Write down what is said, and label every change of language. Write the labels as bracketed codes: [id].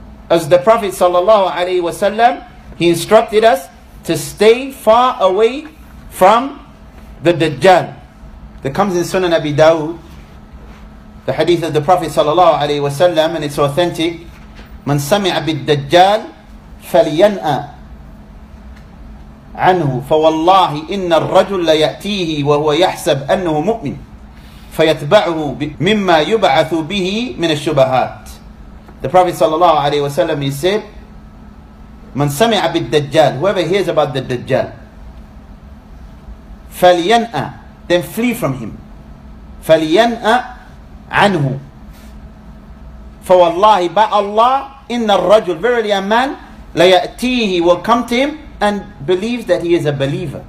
[en] As the Prophet sallallahu alayhi wasallam, he instructed us to stay far away from the Dajjal. That comes in Sunan Abi Dawud, the hadith of the Prophet sallallahu alayhi wasallam, and it's authentic. [ar] من سمع بالدجال فلينأ عنه فوالله إن الرجل ليأتيه وهو يحسب أنه مؤمن فيتبعه مما يبعث به من الشبهات. [en] The Prophet sallallahu alayhi wasallam, he said, [ar] من سمع بالدجال, [en] whoever hears about the Dajjal, [ar] فلينأ, [en] then flee from him. [ar] فلينأ عنه فوالله, [en] by Allah, [ar] إن الرجل, [en] verily a man, [ar] ليأتيه, [en] will come to him and believes that he is a believer.